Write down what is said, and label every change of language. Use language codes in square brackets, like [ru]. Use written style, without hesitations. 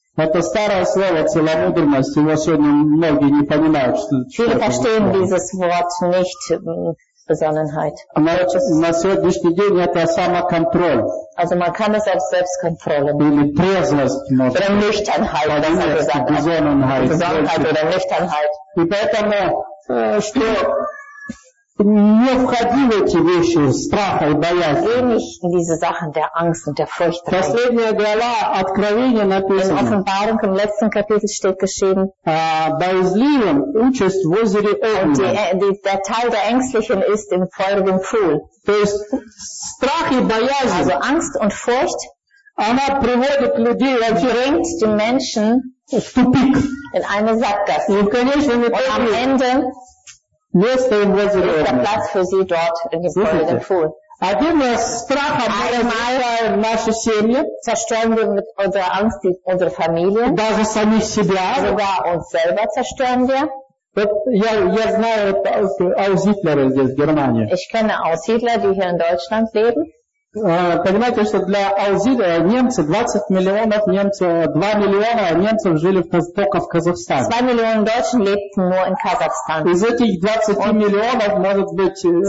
[ru] Это старое слово целомудренность, его сегодня многие не понимают, что это. [de] Viele verstehen dieses Wort nicht, Besonnenheit. [ru] На сегодняшний день это самоконтроль. [de] Also man kann es als Selbstkontrolle machen. Oder Nüchternheit, besser gesagt. Besonnenheit. Besonnenheit oder Nüchternheit. [ru] И поэтому, что не входи в эти вещи страха и боязни. [de] Geh nicht in diese Sachen der Angst und der Furcht rein. [ru] Последняя глава Откровения написана. [de] In Offenbarung im letzten Kapitel steht geschrieben. [ru] Боязливым участь в озере Огненном. [de] Der Teil der Ängstlichen ist im feurigen Pfuhl. [ru] То есть страх и боязнь. [de] Also Angst und Furcht. [ru] Она приводит людей вообще. [de] Bringt die Menschen [ru] в тупик. [de] In eine Sackgasse. [ru] И в конечном итоге. [de] Und am Ende. [ru] Место им возле огня. Один из страхов мы разрушаем в наши семьи. [de] Zerstören wir mit unserer Angst unsere Familie. [ru] Даже сами себя. [de] Sogar uns selber zerstören wir. [ru] Вот я знаю аусидлера здесь, в Германии. [de] Ich kenne Aussiedler, die hier in Deutschland leben. [ru] Понимаете, что для Аусидлера немцы, 20 миллионов немцев, 2 миллиона немцев жили только в Казахстане. [de] 2 [ru] миллиона [de] Deutschen lebten nur in Kasachstan. [ru] Из этих 20 [de] und [ru] миллионов может быть...